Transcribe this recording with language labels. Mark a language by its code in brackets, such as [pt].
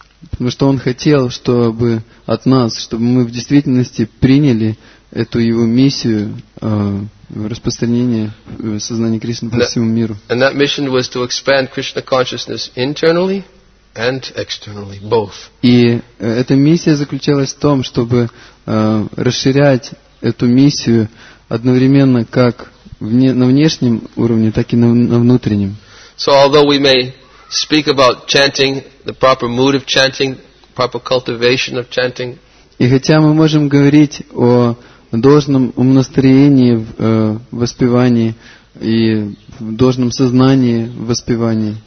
[ru] Потому что он хотел, чтобы от нас, чтобы мы в действительности приняли эту его миссию распространения сознания Кришны по всему миру. [en] And that mission was to expand Krishna consciousness internally and externally, both. [ru] И эта миссия заключалась в том, чтобы расширять эту миссию одновременно как на внешнем уровне, так и на внутреннем. [en] So although we may speak about chanting, the proper mood of chanting, proper cultivation of chanting. [ru] И хотя мы можем говорить о должном умонастроении в воспевании и в должном сознании в воспевании.